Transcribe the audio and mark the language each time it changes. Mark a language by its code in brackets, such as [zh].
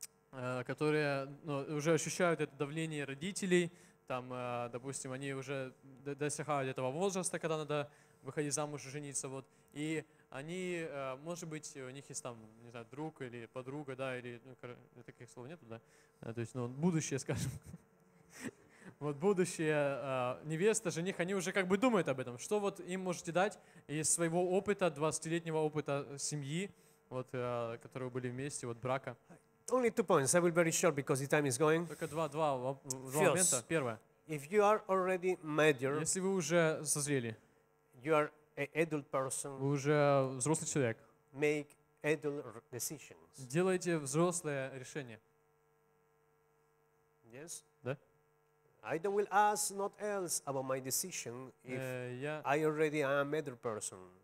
[ru] которые уже ощущают это давление родителей, там, допустим, они уже достигают этого возраста, когда надо выходить замуж и жениться, вот, и они, может быть, у них есть там, не знаю, друг или подруга, да, или, ну, таких слов нету, да, то есть, ну, будущее, скажем, вот будущее, невеста, жених, они уже как бы думают об этом. Что вот им можете дать из своего опыта, 20-летнего опыта семьи, вот, которые были вместе, вот, брака? [en] Only two points, I will be very short, because the time is going. [ru] Только два момента. Первое. [en] If you are already mature, [ru] если вы уже созрели, [en] you are adult person, [ru] вы уже взрослый человек. [en] Make adult decisions. [ru] Делайте взрослое решение. [en] Yes. [ru] Да? [en] I will ask not else about my decision if I already am adult person.